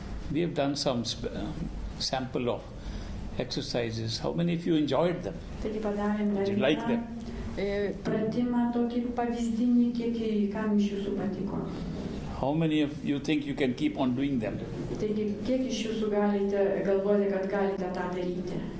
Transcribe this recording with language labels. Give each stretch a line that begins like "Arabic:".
English: We have done some sample of exercises. How many of you enjoyed them?
Lithuanian: Taigi padarėm dar vieną.
English: Did you like them?
Lithuanian: Pratimą tokį pavyzdinį, kiek į kam iš jūsų patiko.
English: How many of you think you can keep on doing them?
Lithuanian: Taigi, kiek iš jūsų galite galvoti, kad galite tą daryti?